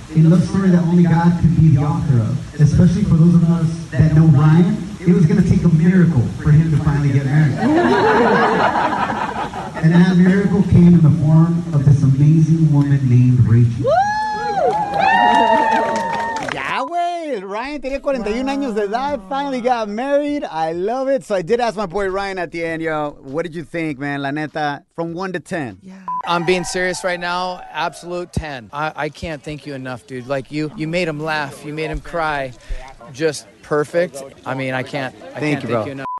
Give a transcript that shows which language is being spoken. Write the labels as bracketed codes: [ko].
[en] A love story that only God can be the author of. Especially for those of us that know Ryan, it was going to take a miracle for him to finally get married. And that miracle came in the form of this amazing woman named Rachel. [es] Ryan tenía 41 años de edad, [en] finally got married. I love it. So I did ask my boy Ryan at the end, yo, what did you think, man? [es] La neta, [en] from 1 to 10. Yeah. I'm being serious right now. Absolute 10. I can't thank you enough, dude. Like, you made him laugh. You made him cry. Just perfect. I mean, I can't thank you enough.